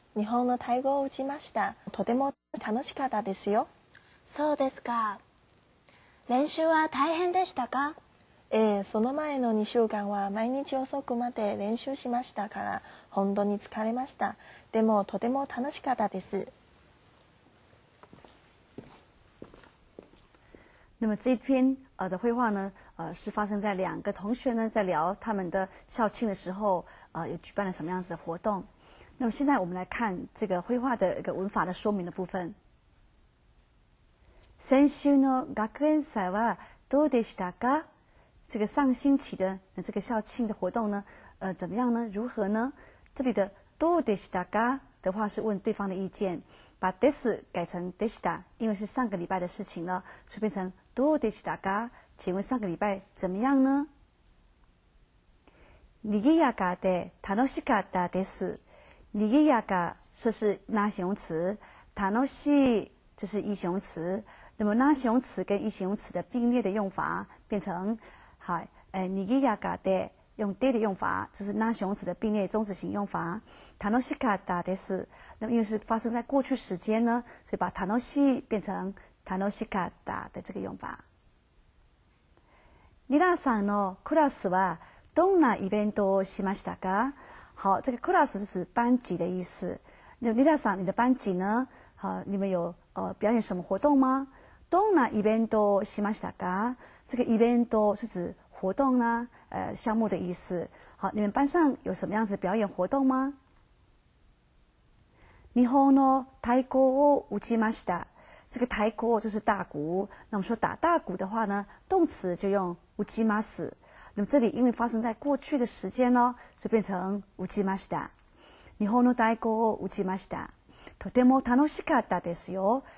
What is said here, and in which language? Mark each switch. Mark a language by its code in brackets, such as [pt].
[ja] 日本の太鼓を打ちました。とても楽しかったですよ。そうですか。練習は大変でしたか？その前の2週間は毎日遅くまで練習しましたから本当に疲れました。でもとても楽しかったです。 [zh] 那么这篇的绘画呢，是发生在两个同学呢在聊他们的校庆的时候，有举办了什么样子的活动。那么现在我们来看这个绘画的一个文法的说明的部分。 [ja] 先週の学園祭はどうでしたか？ [zh] 这个上星期的这个校庆的活动呢，怎么样呢？如何呢？这里的どうでしたか的话是问对方的意见。把 this 改成 desta， 因为是上个礼拜的事情了，所以变成 do desta ga， 请问上个礼拜怎么样呢？ [ja] にぎやかで楽しかったです。 [zh] にぎやか这是那形容词，楽しい这是一形容词。那么那形容词跟一形容词的并列的用法变成，好，にぎやかで用 で 的用法，这是那形容词的并列中止型用法。 [ja] 楽しかったです。 [zh] 那么因为是发生在过去时间呢，所以把楽しい变成楽しかった的这个用法。 [ja] リナさんのクラスはどんなイベントをしましたか？ [zh] 好，这个クラス是指班级的意思。那リナさん，你的班级呢？好，你们有表演什么活动吗？ [ja] どんなイベントをしましたか？ [zh] 这个イベント是指活动呢，项目的意思。好，你们班上有什么样子的表演活动吗？ [ja] 日本の太鼓を打ちました。 [zh] 这个太鼓就是大鼓。那我们说打大鼓的话呢，动词就用打ちます。那么这里因为发生在过去的时间呢，所以变成打ちました。 [ja] 日本の太鼓を打ちました。とても楽しかったですよ。